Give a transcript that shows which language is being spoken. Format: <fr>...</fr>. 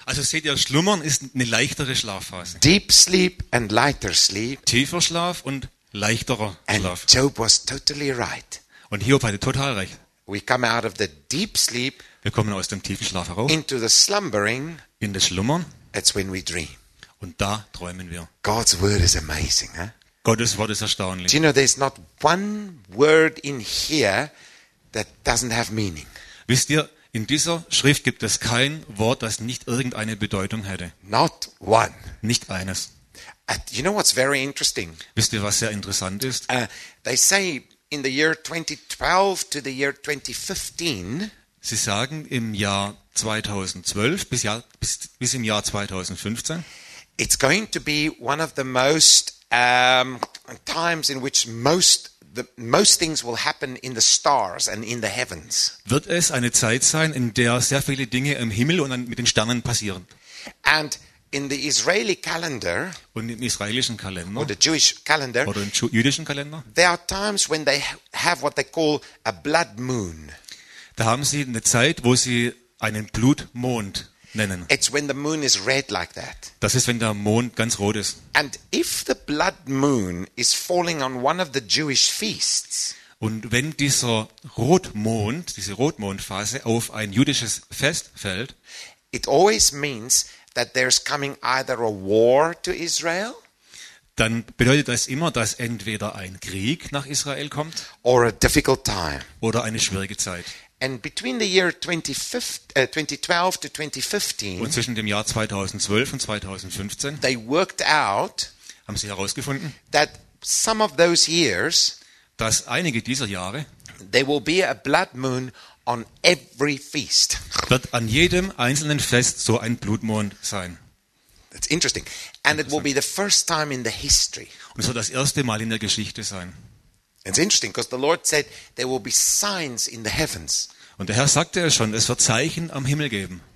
<de>Also seht ihr, Schlummern ist eine leichtere Schlafphase.</de> <en>Deep sleep and lighter sleep.</en> <de>Tiefer Schlaf und leichterer Schlaf.</de> <en>And Job was totally right.</en> <de>Und Hiob hatte total recht.</de> <en>We come out of the deep sleep.</en> <de>Wir kommen aus dem tiefen Schlaf heraus.</de> <en>Into the slumbering.</en> <de>In das Schlummern.</de> <en>That's when we dream.</en> <de>Und da träumen wir.</de> <en>God's word is amazing, huh?</en> <de>Gottes Wort ist erstaunlich.</de> <en>Do you know there's not one word in here that doesn't have meaning?</en> <de>Wisst ihr, in dieser Schrift gibt es kein Wort, das nicht irgendeine Bedeutung hätte.</de> <en>Not one.</en> <de>Nicht eines.</de> <en>You know what's very interesting?</en> <de>Wisst ihr, was sehr interessant ist?</de> <en>They say in the year 2012 to the year 2015.</en> <de>Sie sagen im Jahr 2012 bis im Jahr 2015.</de> <en>It's going to be one of the most times in which most things will happen in the stars and in the heavens.</en> <de>Wird es eine Zeit sein, in der sehr viele Dinge im Himmel und mit den Sternen passieren?</de> <en>And in the Israeli calendar,</en> <de>und im israelischen Kalender,</de> <en>or the Jewish calendar,</en> <de>oder im jüdischen Kalender,</de> <en>there are times when they have what they call a blood moon.</en> <de>Da haben sie eine Zeit, wo sie einen Blutmond nennen.</de> <en>It's when the moon is red like that.</en> <de>Das ist, wenn der Mond ganz rot ist.</de> <en>And if the blood moon is falling on one of the Jewish feasts,</en> <de>und wenn dieser Rotmond, diese Rotmondphase auf ein jüdisches Fest fällt,</de> <en>it always means that there's coming either a war to Israel,</en> <de>dann bedeutet das immer, dass entweder ein Krieg nach Israel kommt,</de> <en>or a difficult time,</en> <de>oder eine schwierige Zeit.</de> <en>And between the year 2012 to 2015,</en> <de>und zwischen dem Jahr 2012 und 2015,</de> <en>they worked out,</en> <de>haben sie herausgefunden,</de> <en>that some of those years,</en> <de>dass einige dieser Jahre,</de> <en>there will be a blood moon on every feast.</en> <de>Wird an jedem einzelnen Fest so ein Blutmond sein.</de> <en>That's interesting. And it will be the first time in the history.</en> <de>Und es wird das erste Mal in der Geschichte sein.</de> <en>It's interesting because the Lord said there will be signs in the heavens.</en> <de>Und der Herr sagte es schon, es wird Zeichen am Himmel geben.</de>